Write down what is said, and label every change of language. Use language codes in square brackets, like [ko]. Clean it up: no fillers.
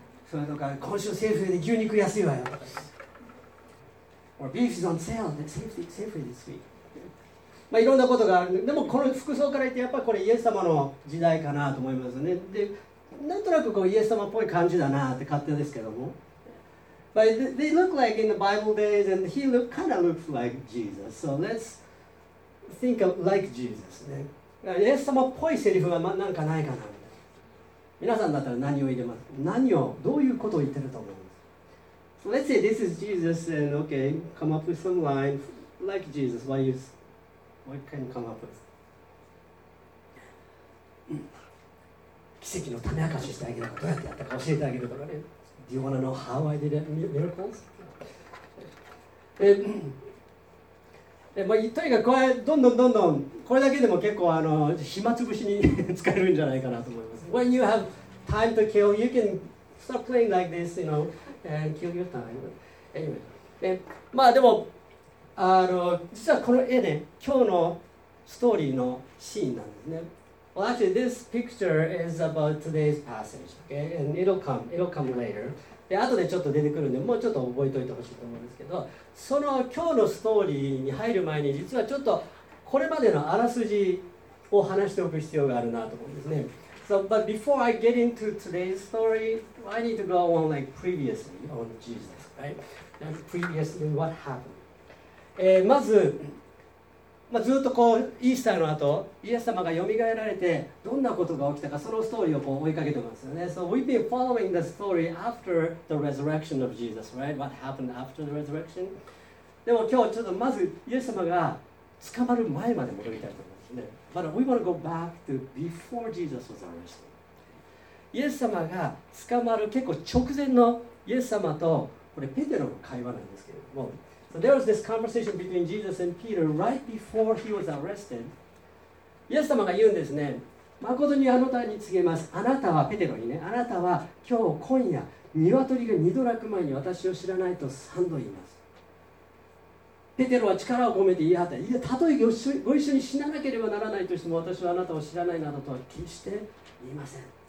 [ja] それとか、今週セーフで牛肉安いわよ。 [en] Or beef is on sale. That's safely this week. [ja] まあ、いろんなことがある。でもこの服装から言ってやっぱりこれイエス様の時代かなと思いますね。でなんとなくこうイエス様っぽい感じだなって勝手ですけども。 [en] But they look like in the Bible days and he look, kind of looks like Jesus. So let's think of like Jesus. ね。 [ja] イエス様っぽいセリフが何かないかな。皆さんだったら何を入れますか。何を、どういうことを言ってると思うんですか。 [en] So let's say this is Jesus and okay, come up with some line like Jesus. Why you? What can come up with? [ja] 奇跡の種明かししてあげるか、どうやってやったか教えてあげるとかね。 [en] Do you wanna know how I did miracles? [ja] まあ、とにかくこれどんどんどんどんこれだけでも結構あの暇つぶしに使えるんじゃないかなと思います。 [en] When you have time to kill, you can stop playing like this, you know, and kill your time. Anyway, [ja] まあでも。あの実はこの絵ね、今日のストーリーのシーンなんですね。 [en] Well, actually, this picture is about today's passage, okay? And it'll come later. [ja] で、後でちょっと出てくるんで、もうちょっと覚えておいてほしいと思うんですけど、その今日のストーリーに入る前に、実はちょっとこれまでのあらすじを話しておく必要があるなと思うんですね。 [en] So, but before I get into today's story, I need to go on like previously on Jesus, right? And previously what happened? [ja] まず、まあ、ずっとこうイースターの後イエス様がよみがえられてどんなことが起きたかそのストーリーをこう追いかけてますよね。 [en] So we've been following the story after the resurrection of Jesus, right? What happened after the resurrection? [ja] でも今日ちょっとまずイエス様が捕まる前まで戻りたいと思いますね。 [en] But we want to go back to before Jesus was arrested. [ja] イエス様が捕まる結構直前のイエス様とこれペテロの会話なんですけれども、 [en] So there was this conversation between Jesus and Peter right before he was arrested. [ja] イエス様が言うんですね。誠にあなたに告げます。あなたはペテロにね。あなたは今日今夜鶏が二度鳴く前に私を知らないと三度言います。ペテロは力を込めて言い張った。いや、たとえご一緒に死ななければならないとしても私はあなたを知らないなどとは決して言いません。